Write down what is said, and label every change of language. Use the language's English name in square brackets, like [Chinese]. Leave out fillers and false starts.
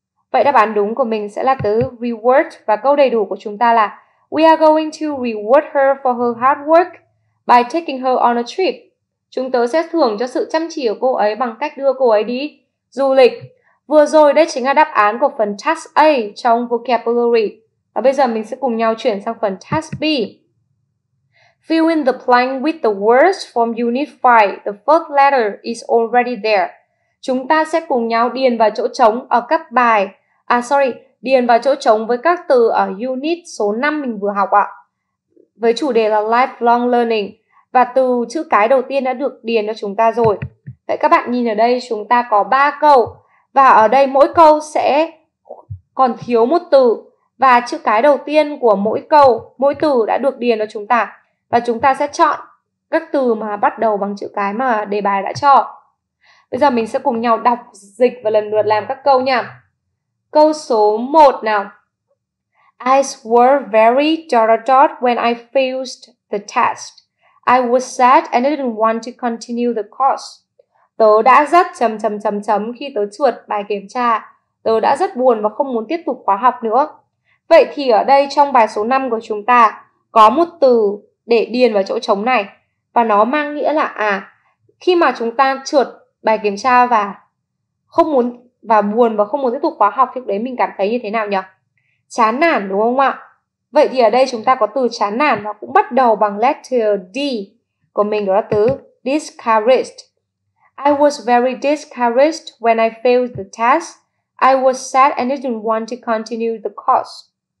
[Vietnamese] Vậy đáp án đúng của mình sẽ là từ reward. Và câu đầy đủ của chúng ta là [English] we are going to reward her for her hard work by taking her on a trip. [Vietnamese] Chúng tớ sẽ thưởng cho sự chăm chỉ của cô ấy bằng cách đưa cô ấy đi du lịch. Vừa rồi đây chính là đáp án của phần task A trong vocabulary. Và bây giờ mình sẽ cùng nhau chuyển sang phần task B. [English] Fill in the blank with the words from unit 5. The first letter is already there. [Vietnamese] Chúng ta sẽ cùng nhau điền vào chỗ trống ở các bài. Điền vào chỗ trống với các từ ở unit số 5 mình vừa học ạ. Với chủ đề là lifelong learning. Và từ chữ cái đầu tiên đã được điền cho chúng ta rồi. Vậy các bạn nhìn ở đây chúng ta có 3 câu. Và ở đây mỗi câu sẽ còn thiếu một từ. Và chữ cái đầu tiên của mỗi câu, mỗi từ đã được điền cho chúng ta. Và chúng ta sẽ chọn các từ mà bắt đầu bằng chữ cái mà đề bài đã cho. Bây giờ mình sẽ cùng nhau đọc dịch và lần lượt làm các câu nha. Câu số 1 nào. [English] I swore very .. when I failed the test. I was sad and I didn't want to continue the course. [Vietnamese] Tớ đã rất .. khi tớ trượt bài kiểm tra. Tớ đã rất buồn và không muốn tiếp tục khóa học nữa. Vậy thì ở đây trong bài số 5 của chúng ta có một từ để điền vào chỗ trống này. Và nó mang nghĩa là khi mà chúng ta trượt bài kiểm tra và không muốn và buồn và không muốn tiếp tục khóa học thì đấy mình cảm thấy như thế nào nhỉ? Chán nản đúng không ạ? Vậy thì ở đây chúng ta có từ chán nản, nó cũng bắt đầu bằng letter D của mình, đó là từ discouraged. [English] I was very discouraged when I failed the test. I was sad and didn't want to continue the course.